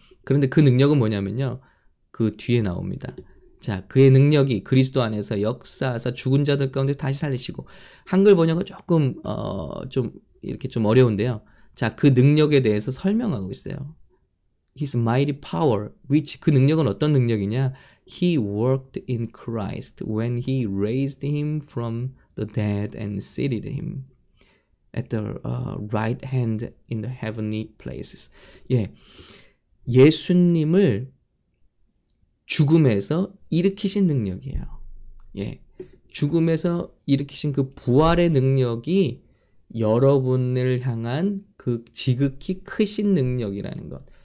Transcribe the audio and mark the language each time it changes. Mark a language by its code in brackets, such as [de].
[ko] 그런데 그 능력은 뭐냐면요, 그 뒤에 나옵니다. 자, 그의 능력이 그리스도 안에서 역사하사 죽은 자들 가운데 다시 살리시고, 한글 번역은 조금 좀 이렇게 좀 어려운데요. 자, 그 능력에 대해서 설명하고 있어요. [en] His mighty power, which [ko] 그 능력은 어떤 능력이냐? [en] He worked in Christ when he raised him from the dead and seated him at the right hand in the heavenly places. [ko] 예. 예수님을 죽음에서 일으키신 능력이에요. 예. 죽음에서 일으키신 그 부활의 능력이 여러분을 향한 그 지극히 크신 능력이라는 것.